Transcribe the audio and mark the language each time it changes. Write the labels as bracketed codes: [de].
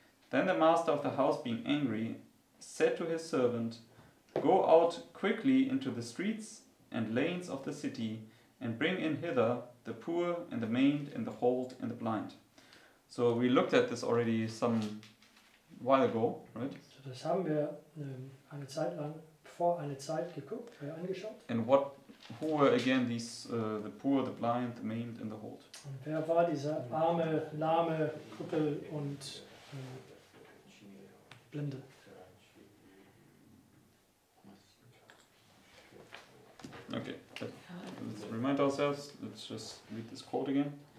[en] Then the master of the house, being angry, said to his servant, go out quickly into the streets and lanes of the city, and bring in hither the poor and the maimed and the halt and the blind. So we looked at this already some while ago, right? [de] So das haben wir eine Zeit lang vor eine Zeit geguckt, angeschaut. [en] And what, who were again these the poor, the blind, the maimed and the halt? [de] Und wer war dieser arme, lahme, Krüppel und Blinde? [en] Okay, let's remind ourselves, let's just read this quote again.